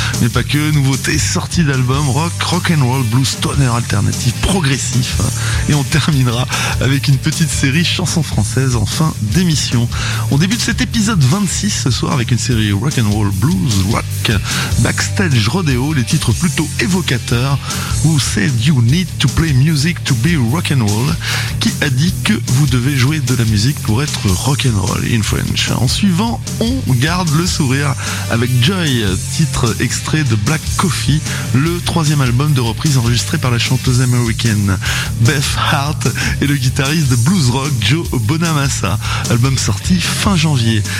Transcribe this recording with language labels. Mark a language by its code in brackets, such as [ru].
[fr] Mais pas que, nouveautés, sorties d'albums, rock, rock and roll, blues, stoner, alternatif, progressif. Et on terminera avec une petite série chansons françaises en fin d'émission. On débute cet épisode 26 ce soir avec une série rock and roll, blues, rock, backstage, rodeo, les titres plutôt évocateurs. [en] Who said you need to play music to be rock and roll? [fr] Qui a dit que vous devez jouer de la musique pour être rock'n'roll [en] in French. [fr] En suivant, on garde le sourire avec Joy, titre extrait de Black Coffee, le troisième album de reprise enregistré par la chanteuse américaine Beth Hart et le guitariste de blues rock Joe Bonamassa, album sorti fin janvier.